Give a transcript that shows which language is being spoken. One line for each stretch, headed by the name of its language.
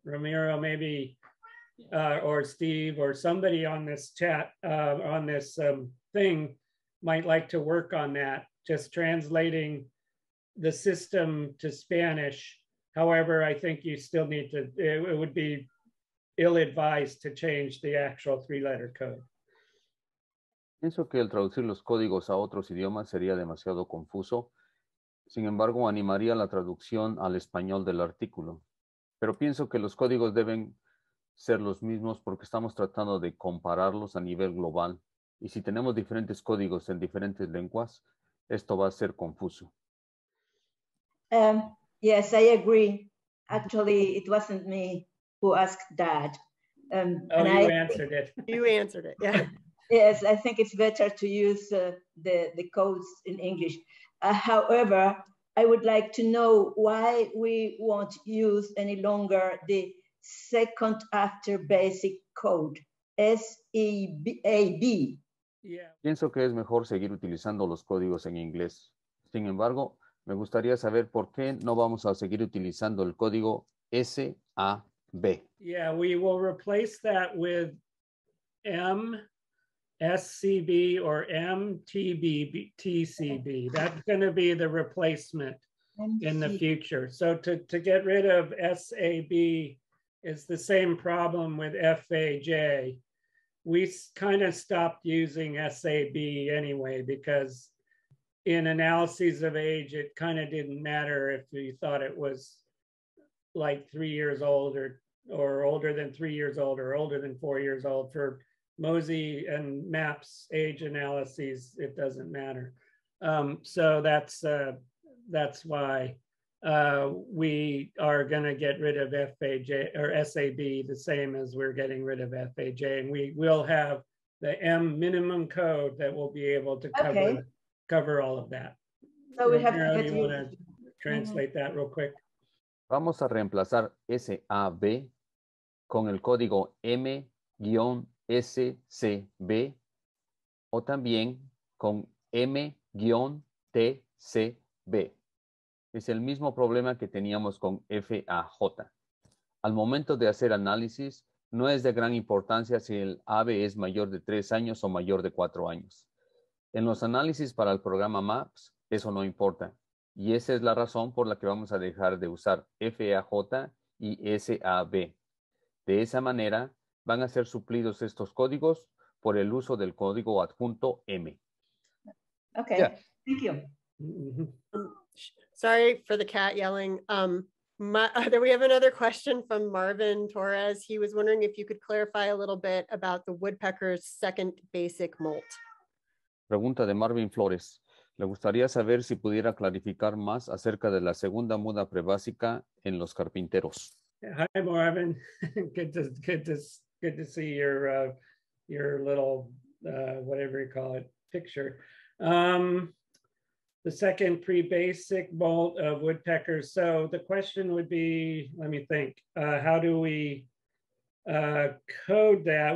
English: Ramiro, maybe, or Steve, or somebody on this chat, on this thing, might like to work on that, just translating the system to Spanish. However, I think you still need to, it would be ill-advised to change the actual three-letter code.
Spanish: Pienso que el traducir los códigos a otros idiomas sería demasiado confuso. Sin embargo, animaría la traducción al español del artículo. pero pienso que los códigos deben ser los mismos porque estamos tratando de compararlos a nivel global. Y si tenemos diferentes códigos en diferentes lenguas, esto va a ser confuso.
English: Yes, I agree. Actually, it wasn't me who asked that. You answered it. Yeah. Yes, I think it's better to use the codes in English. However, I would like to know why we won't use any longer the second after basic code, SEAB. Yeah.
Spanish: Pienso que es mejor seguir utilizando los códigos en inglés. Sin embargo, me gustaría saber por qué no vamos a seguir utilizando el código SAB.
English: Yeah, we will replace that with MSCB or MTBTCB. That's going to be the replacement in the future. So to get rid of SAB is the same problem with FAJ. We kind of stopped using SAB anyway, because in analyses of age, it kind of didn't matter if you thought it was like 3 years old or older than 3 years old or older than 4 years old. For MoSI and MAPS age analyses, it doesn't matter. So that's why we are going to get rid of FAJ or SAB the same as we're getting rid of FAJ. And we will have the M minimum code that will be able to cover all of that. So we have to get you want to translate mm-hmm. that real quick?
Spanish: Vamos a reemplazar SAB con el código M-SCB o también con M-TCB. Es el mismo problema que teníamos con FAJ. Al momento de hacer análisis, no es de gran importancia si el AB es mayor de 3 años o mayor de 4 años. En los análisis para el programa MAPS, eso no importa. Y esa es la razón por la que vamos a dejar de usar FAJ y SAB. De esa manera, van a ser suplidos estos códigos por el uso del código adjunto M.
English: Okay, yeah. Thank you. Sorry for the cat yelling. We have another question from Marvin Torres. He was wondering if you could clarify a little bit about the woodpecker's second basic molt.
Spanish: Pregunta de Marvin Flores. Le gustaría saber si pudiera clarificar más acerca de la segunda muda prebásica en los carpinteros.
English: Hi, Marvin. Good to see your little, whatever you call it, picture. The second pre-basic molt of woodpeckers. So the question would be, let me think, how do we code that?